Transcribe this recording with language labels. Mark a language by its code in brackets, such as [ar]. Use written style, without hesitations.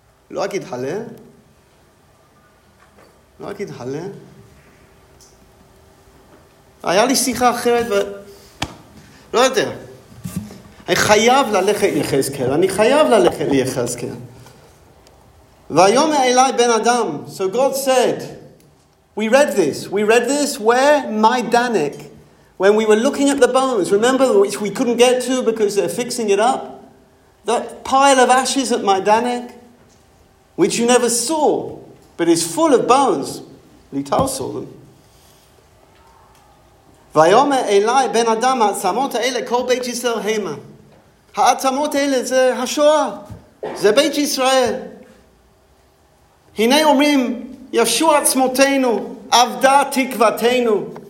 [he] לא אגיד הלל, לא אגיד הלל. היה לי שיחה אחרת, לא יודע. אני חייב ללכת ליחזקאל, אני חייב ללכת ליחזקאל. והיום אליי בן אדם, [en] so God said, we read this, where my Danek, when we were looking at the bones, remember, which we couldn't get to because they're fixing it up, that pile of ashes at my Danek, which you never saw, but is full of bones, Lital saw them. [he] ויאמר אלי בן אדם, העצמות האלה, כל בית ישראל המה. העצמות האלה זה השואה, זה בית ישראל. הנה אומרים, ישוע עצמותינו, עבדה תקוותינו.